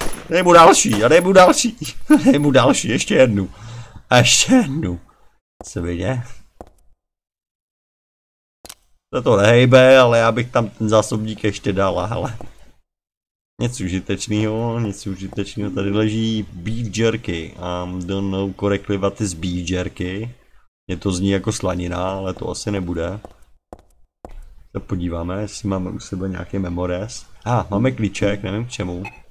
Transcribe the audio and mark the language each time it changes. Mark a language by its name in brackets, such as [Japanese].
[Czech] Dej mu další, a dej mu další. Dej mu další, ještě jednu. A ještě jednu. Se vidě. To to nehejbe, ale já bych tam ten zásobník ještě dal, hele. Nic užitečného tady leží. [English] Beef jerky. Don't know correctly what is beef jerky. [Czech] Mně to zní jako slanina, ale to asi nebude. To podíváme, jestli máme u sebe nějaký memores. Máme klíček, nevím k čemu.